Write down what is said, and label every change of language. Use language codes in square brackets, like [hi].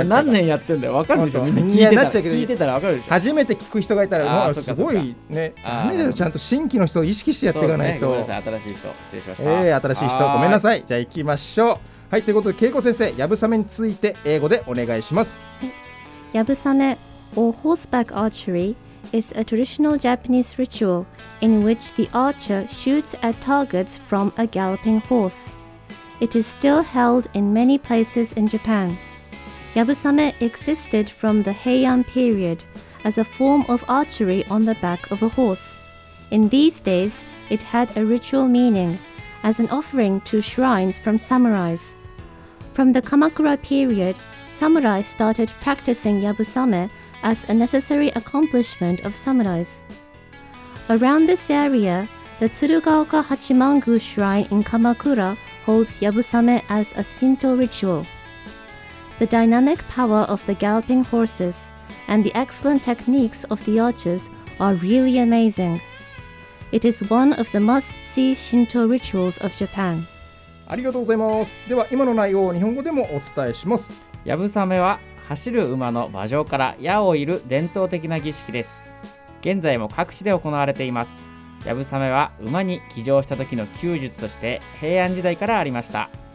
[ja] これ何年やってんだよ、わかるでしょ。みんな聞いてたら、聞いてたらわかるでしょ。初めて聞く人がいたら、まあ、すごいね。ダメだよ、ちゃんと新規の人を意識してやっていかないと。そうですね、ごめんなさい、新しい人失礼しました。新しい人ごめんなさい。じゃあ行きましょう。はい、ということで恵子先生、やぶさめについて英語でお願いします。 [en] やぶさめ or horseback archery is a traditional Japanese ritual in which the archer shoots at targets from a galloping horse. It is still held in many places in Japan. Yabusame existed from the Heian period as a form of archery on the back of a horse. In these days, it had a ritual meaning as an offering to shrines from samurais. From the Kamakura period, samurai started practicing yabusame as a necessary accomplishment of samurais. Around this area, the Tsurugaoka Hachimangu Shrine in Kamakuraholds Yabusame as a Shinto ritual. The dynamic power of the galloping horses and the excellent techniques of the archers are really amazing. It is one of the must-see Shinto rituals of Japan. [ja] ありがとうございます。では今の内容を日本語でもお伝えします。 Yabusame は走る馬の馬上から矢を射る伝統的な儀式です。現在も各地で行われています。やぶさめは馬に騎乗した時の弓術として平安時代からありました。